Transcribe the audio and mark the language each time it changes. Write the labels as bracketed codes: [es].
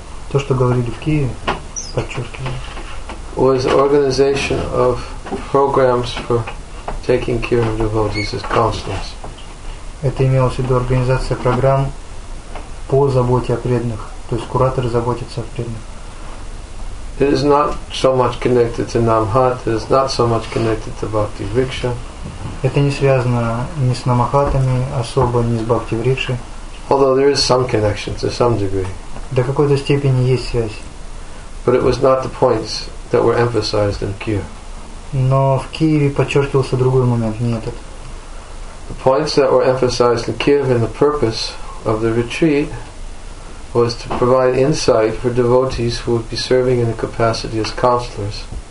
[ru] То, что говорили в Киеве, подчеркиваю. [en] Was organization of programs for taking care of devotees as counselors. [ru] Это имелось в виду организация программ по заботе о преданных. То есть кураторы заботятся о преданных. [en] It is not so much connected to Namhat, it is not so much connected to Bhakti Vriksha. [ru] Это не связано ни с Намахатами, особо ни с Бхакти Врикши. [en] Although there is some connection to some degree. [ru] До какой-то степени есть связь. [en] But it was not the points that were emphasized in Kiev. [ru] Но в Киеве подчеркивался другой момент, не этот. [en] The points that were emphasized in Kiev and the purpose of the retreat was to provide insight for devotees who would be serving in the capacity as counselors.